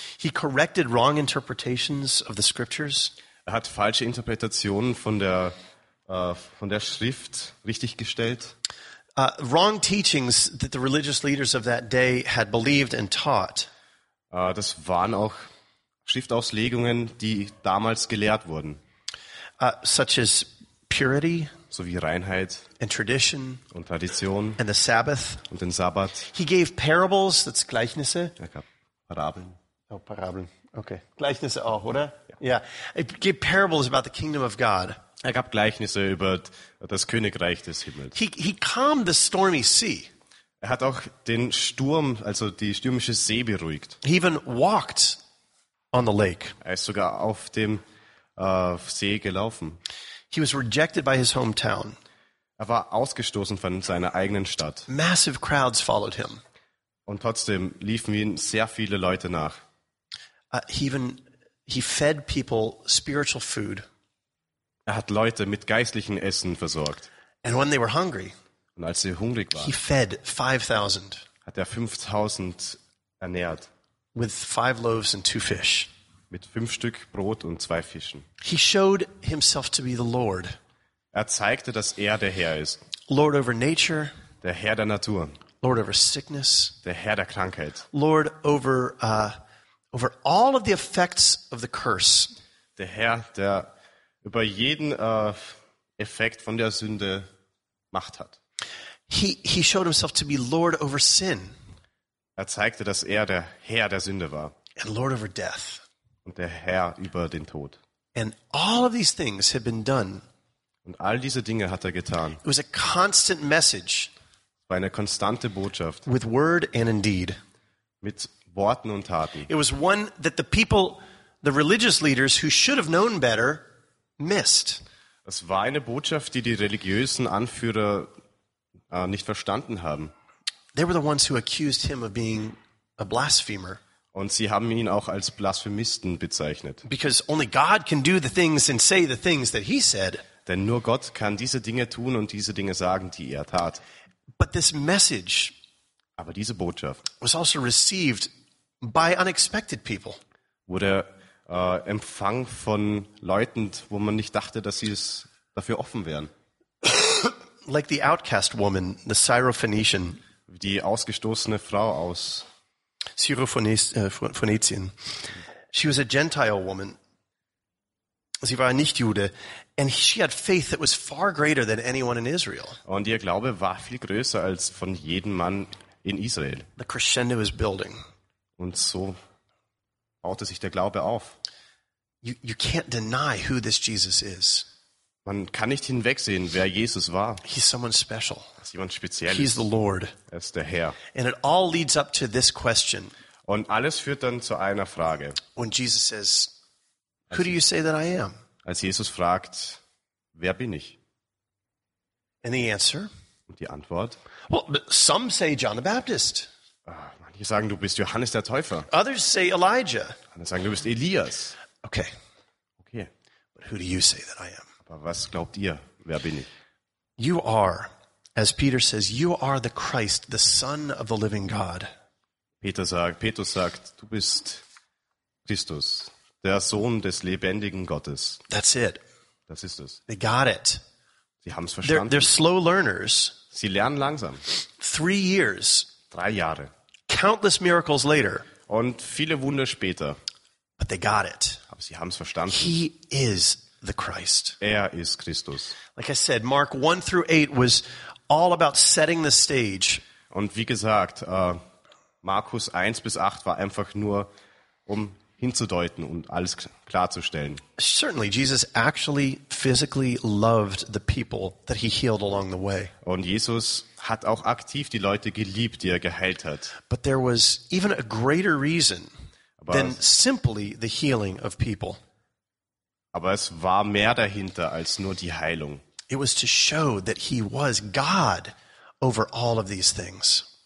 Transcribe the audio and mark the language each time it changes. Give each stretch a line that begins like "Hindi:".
English: He corrected wrong interpretations of the scriptures.
German: Er hat falsche Interpretationen von der Schrift richtiggestellt.
English: Wrong teachings that the religious leaders of that day had believed and taught.
German: Das waren auch Schriftauslegungen, die damals gelehrt wurden.
English: Such as purity,
German: so wie Reinheit,
English: and tradition,
German: und Tradition,
English: and the Sabbath,
German: und den Sabbat.
English: He gave parables, that's Gleichnisse.
German: Er gab Parabeln. Oh, Parabeln. Okay. Gleichnisse auch, oder? Ja. Yeah.
English: He gave parables about the kingdom of God.
German: Er gab Gleichnisse über das Königreich des Himmels.
English: He calmed the stormy sea.
German: Er hat auch den Sturm, also die stürmische See, beruhigt.
English: He even walked on the lake.
German: Er ist sogar auf dem See gelaufen.
English: He was rejected by his hometown.
German: Er war ausgestoßen von seiner eigenen Stadt.
English: Massive crowds followed him.
German: Und trotzdem liefen ihm sehr viele Leute nach.
English: He fed people spiritual food.
German: Er hat Leute mit geistlichem Essen versorgt.
English: And when they were hungry,
German: und als sie hungrig waren,
English: he fed 5,000,
German: hat er 5,000 ernährt.
English: With 5 loaves and 2 fish.
German: Mit 5 Stück Brot und 2 Fischen.
English: He showed himself to be the Lord.
German: Er zeigte, dass er der Herr ist.
English: Lord over nature.
German: Der Herr der Natur.
English: Lord over sickness.
German: Der Herr der Krankheit.
English: Lord over over all of the effects of the curse.
German: Der Herr der über jeden Effekt von der Sünde Macht hat.
English: He showed himself to be Lord over sin.
German: Er zeigte, dass er der Herr der Sünde war.
English: And Lord over death.
German: Und der Herr über den Tod.
English: And all of these things had been done.
German: Und all diese Dinge hat er getan.
English: It was a constant message.
German: War eine konstante Botschaft.
English: With word and indeed.
German: Mit Worten und Taten.
English: It was one that the people, the religious leaders who should have known better, missed.
German: Es war eine Botschaft, die die religiösen Anführer nicht verstanden haben.
English: They were the ones who accused him of being a blasphemer.
German: Und sie haben ihn auch als Blasphemisten bezeichnet.
English: Because only God can do the things and say the things that he said.
German: Denn nur Gott kann diese Dinge tun und diese Dinge sagen, die er tat.
English: But this message,
German: aber diese Botschaft,
English: was also received by unexpected people.
German: Wurde Empfang von Leuten, wo man nicht dachte, dass sie es dafür offen wären.
English: Like the outcast woman, the Syrophoenician.
German: die ausgestoßene Frau aus
English: Syrophönizien. She was a Gentile woman.
German: Sie war nicht Jude.
English: And she had faith that was far greater than anyone in Israel.
German: Und ihr Glaube war viel größer als von jedem Mann in Israel.
English: The crescendo is building.
German: Und so baute sich der Glaube auf.
English: You can't deny who this Jesus is.
German: Man kann nicht hinwegsehen, wer Jesus war.
English: He's someone special.
German: Er ist jemand Spezielles.
English: He's the Lord.
German: Er ist der Herr.
English: And it all leads up to this question.
German: Und alles führt dann zu einer Frage.
English: When Jesus says, "Who do you say that I am?"
German: Als Jesus fragt, wer bin ich?
English: And the answer?
German: Und die Antwort?
English: Well, some say John the Baptist.
German: Manche sagen, du bist Johannes der Täufer.
English: Others say Elijah.
German: Andere sagen, du bist Elias.
English: Okay.
German: Okay.
English: But who do you say that I am?
German: Aber was glaubt ihr, wer bin ich?
English: You are, as Peter says, you are the Christ, the Son of the living God.
German: Petrus sagt, du bist Christus, der Sohn des lebendigen Gottes.
English: That's it.
German: Das ist es.
English: They got it.
German: Sie haben es verstanden.
English: They're slow learners.
German: Sie lernen langsam.
English: 3 years.
German: 3 Jahre.
English: Countless miracles later.
German: Und viele Wunder später.
English: But they got it.
German: Aber sie haben es verstanden.
English: He is the Christ.
German: Er ist Christus.
English: Like I said, Mark 1 through 8 was all about setting the stage.
German: Und wie gesagt, Markus 1 bis 8 war einfach nur, um hinzudeuten und alles klarzustellen.
English: Certainly, Jesus actually physically loved the people that he healed along the way.
German: Und Jesus hat auch aktiv die Leute geliebt, die er geheilt hat.
English: But there was even a greater reason than simply the healing of people.
German: Aber es war mehr dahinter als nur die Heilung.
English: It was to show that he was God over all of these things.